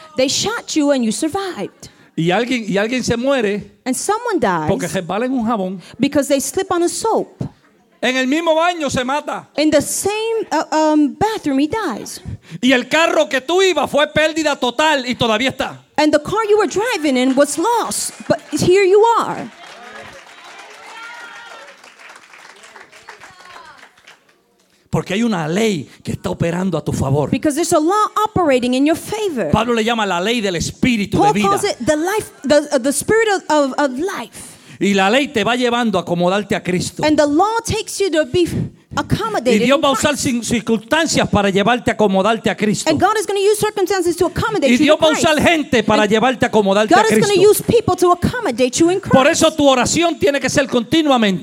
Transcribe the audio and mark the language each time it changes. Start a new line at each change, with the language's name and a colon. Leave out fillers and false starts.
English: They shot you and you survived.
Spanish: Y alguien se muere.
English: And someone dies.
Spanish: Porque resbala en un jabón.
English: Because they slip on a soap.
Spanish: En el mismo baño se mata.
English: In the same bathroom he dies.
Spanish: Y el carro que tú ibas fue pérdida total y todavía está.
English: And the car you were driving in was lost, but here you are.
Spanish: Porque hay una ley que está operando a tu favor.
English: Because there's a law operating in your favor.
Spanish: Pablo le llama la ley del espíritu
English: Paul
Spanish: de vida.
English: Paul calls it the life, the spirit of life.
Spanish: Y la ley te va llevando a acomodarte a Cristo.
English: And the law takes you to be accommodated.
Spanish: Y Dios va a usar circunstancias para llevarte a acomodarte a Cristo.
English: And God is going to use circumstances to accommodate you.
Spanish: Y Dios va a usar gente para llevarte a acomodarte a Cristo.
English: God is going to use people to accommodate you in Christ.
Spanish: Por eso tu oración tiene que ser continuamente.